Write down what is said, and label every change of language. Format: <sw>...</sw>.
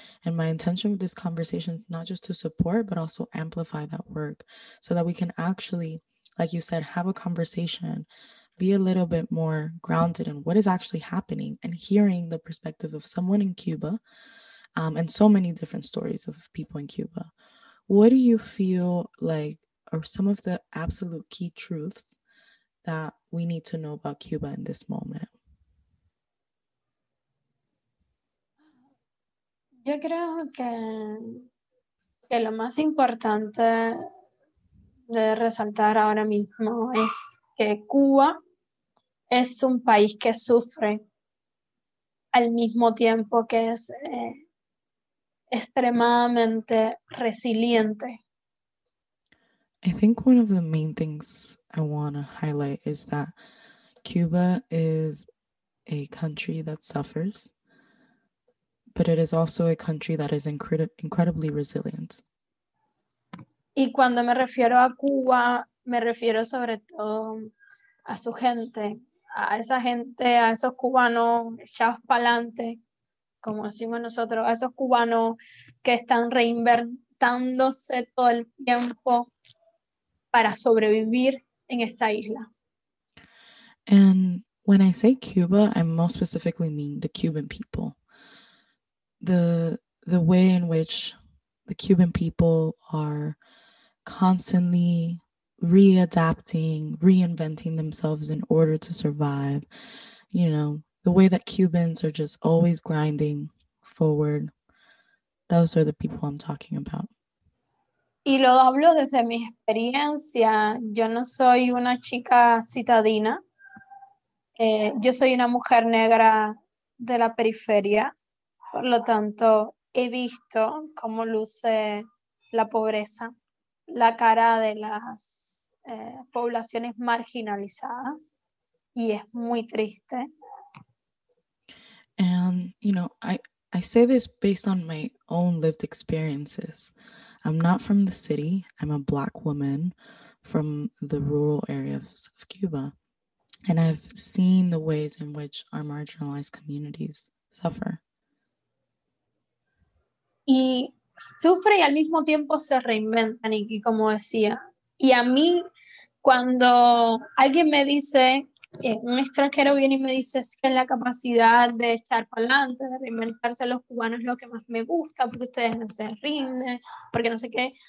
<en>And my intention with this conversation is not just to support, but also amplify that work so that we can actually, like you said, have a conversation, be a little bit more grounded in what is actually happening and hearing the perspective of someone in Cuba and so many different stories of people in Cuba. What do you feel like are some of the absolute key truths that we need to know about Cuba in this moment?</en> <es>Yo creo que lo más importante de resaltar ahora mismo es que Cuba es un país que sufre al mismo tiempo que es extremadamente resiliente.</es> <en>I think one of the main things I want to highlight is that Cuba is a country that suffers, but it is also a country that is incredibly resilient.</en> <es>Y cuando me refiero a Cuba, me refiero sobre todo a su gente, a esa gente, a esos cubanos echados pa'lante, como decimos nosotros, a esos cubanos que están reinventándose todo el tiempo para sobrevivir en esta isla.</es> <en>And when I say Cuba, I most specifically mean the Cuban people. The way in which the Cuban people are constantly readapting, reinventing themselves in order to survive. You know, the way that Cubans are just always grinding forward. Those are the people I'm talking about.</en> <es>Y lo hablo desde mi experiencia. Yo no soy una chica citadina. Yo soy una mujer negra de la periferia. Por lo tanto, he visto cómo luce la pobreza, la cara de las poblaciones marginalizadas, y es muy triste.</es> <en>And, you know, I say this based on my own lived experiences. I'm not from the city. I'm a Black woman from the rural areas of Cuba. And I've seen the ways in which our marginalized communities suffer.</en> <es>Y sufre y al mismo tiempo se reinventan, y como decía. Y a mí, cuando alguien me dice, un extranjero viene y me dice, es que la capacidad de echar para adelante, de reinventarse a los cubanos es lo que más me gusta, porque ustedes no se rinden, porque no sé qué.</es>